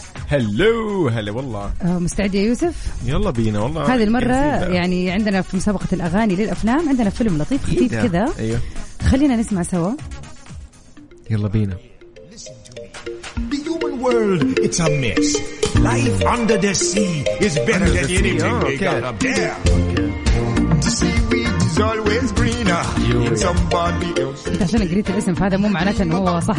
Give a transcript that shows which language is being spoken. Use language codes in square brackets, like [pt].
[ar] هلو هلا والله مستعد يا يوسف؟ يلا بينا والله. هذه المرة يعني عندنا في مسابقة الأغاني للأفلام عندنا فيلم لطيف خفيف كذا. أيوه. خلينا نسمع سوا. يلا بينا. [en] The human world it's a mess. Life under the sea is better than anything they got up there. The seaweed is always greener in somebody else. [ar] أنت عشان قريت الاسم فهذا مو معناته إنه هو صح.